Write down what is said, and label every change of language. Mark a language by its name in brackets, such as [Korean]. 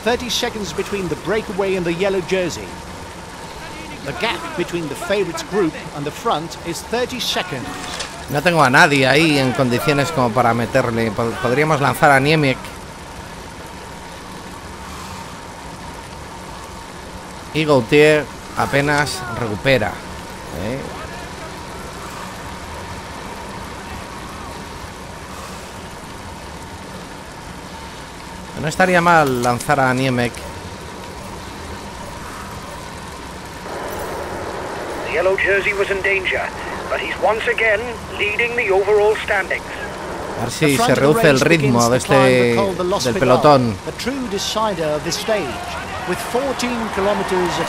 [English] Seconds between the breakaway and the yellow jersey. The gap between the favorites group and the front is 30 seconds. [Spanish] No tengo a nadie ahí en condiciones como para meterle. Podríamos lanzar a Niemiec. Y Gautier apenas recupera. No estaría mal lanzar a Niemek. [English] The yellow jersey was in danger, but he's once again leading the overall standings. [Spanish] A ver si se reduce el ritmo de este del pelotón. [English] The true decider of this stage, with 14 kilometers at